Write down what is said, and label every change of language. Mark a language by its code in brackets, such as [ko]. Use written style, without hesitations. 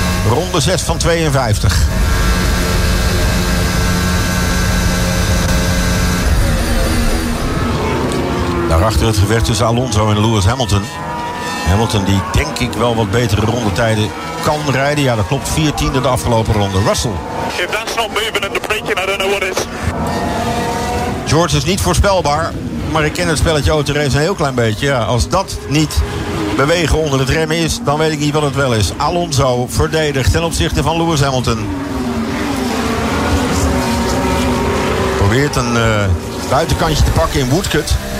[nl] Ronde 6 van 52. Daarachter het gevecht tussen Alonso en Lewis Hamilton. Hamilton die denk ik wel wat betere rondetijden kan rijden. Ja, dat klopt. 14e de afgelopen ronde. Russell. [en] If that's not moving and breaking, I don't know what is. [nl] George is niet voorspelbaar. Maar ik ken het spelletje autorace een heel klein beetje. Ja, als dat niet bewegen onder het rem is, dan weet ik niet wat het wel is. Alonso verdedigt ten opzichte van Lewis Hamilton. Probeert een buitenkantje te pakken in Woodcut.